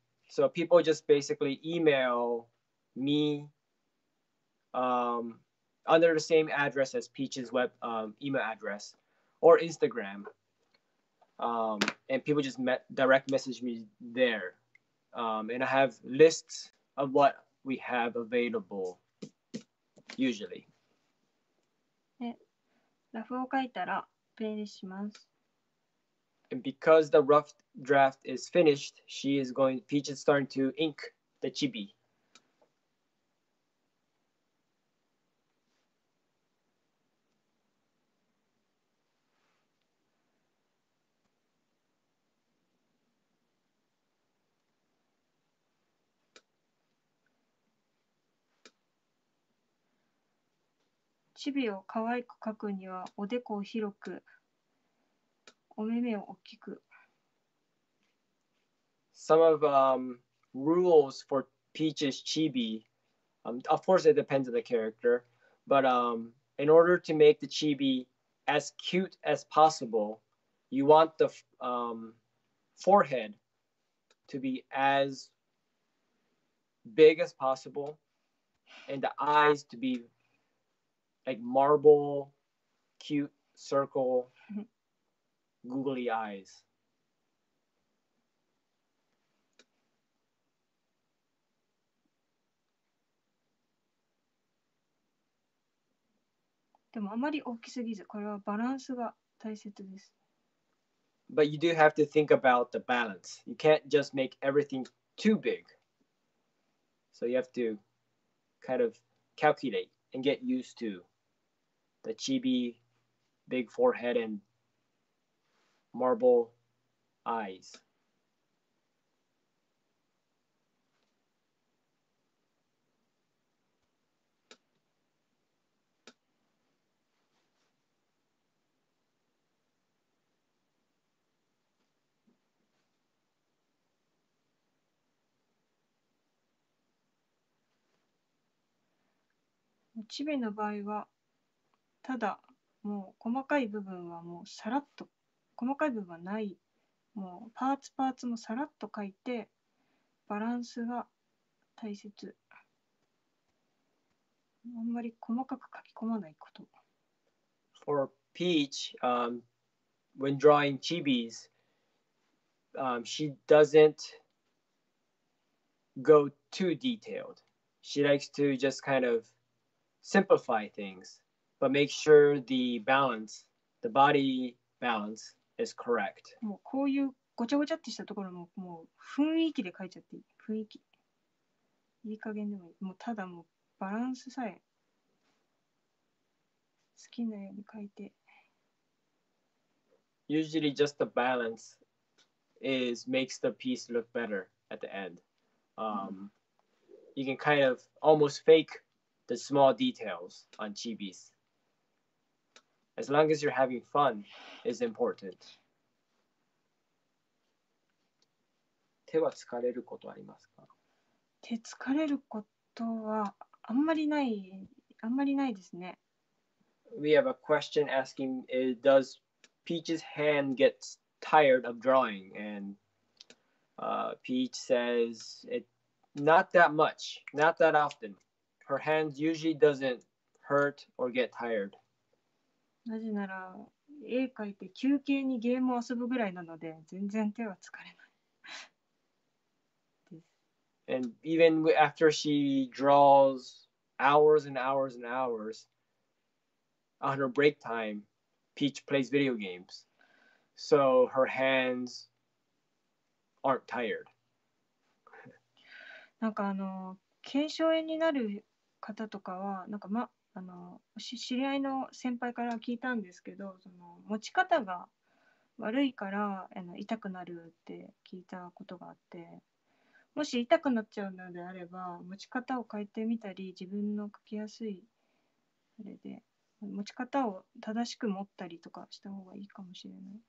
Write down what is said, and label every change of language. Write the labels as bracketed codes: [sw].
[en] So people just basically email me under the same address as Peach's web email address or Instagram. And people just direct message me there. And I have lists of what we have available usually. [ja] ラフを書いたらペイします。 [en] And because the rough draft is finished, she is going, Peach is starting to ink the chibi. [ja] チビを可愛く描くにはおでこを広く、お目目を大きく。 [en] Some of rules for Peach's chibi, of course it depends on the character, but in order to make the chibi as cute as possible, you want the forehead to be as big as possible, and the eyes to be like marble, cute circle, googly eyes. [ja] でもあまり大きすぎず、これはバランスが大切です。 [en] But you do have to think about the balance. You can't just make everything too big. So you have to kind of calculate and get used to. The chibi, big forehead, and marble eyes. [ja] チビの場合はただもう細かい部分はもうさらっと細かい部分はないもうパーツパーツもさらっと書いてバランスが大切あんまり細かく書き込まないこと [en] For Peach, when drawing chibis, she doesn't go too detailed. She likes to just kind of simplify things. But make sure the balance, the body balance is correct. [ja] もうこういうごちゃごちゃってしたところももう雰囲気で描いちゃっていい。雰囲気。いい加減でもいい。もうただもうバランスさえ好きなように描いて。 [en] Usually just the balance is makes the piece look better at the end. You can kind of almost fake the small details on chibis. As long as you're having fun, is important. [ja] 手は疲れることありますか？手疲れることはあんまりない、あんまりないですね。 [en] We have a question asking, does Peach's hand get tired of drawing? And Peach says, not that much, not that often. Her hand usually doesn't hurt or get tired. [ja] なぜなら絵描いて休憩にゲームを遊ぶぐらいなので全然手は疲れない。 [en] And even after she draws hours and hours and hours on her break time, Peach plays video games. So her hands aren't tired. [ja] なんかあの腱鞘炎になる方とかはなんか、ま、あの知り合いの先輩から聞いたんですけど、その持ち方が悪いからあの痛くなるって聞いたことがあって、もし痛くなっちゃうのであれば持ち方を変えてみたり、自分の書きやすいあれで持ち方を正しく持ったりとかした方がいいかもしれない。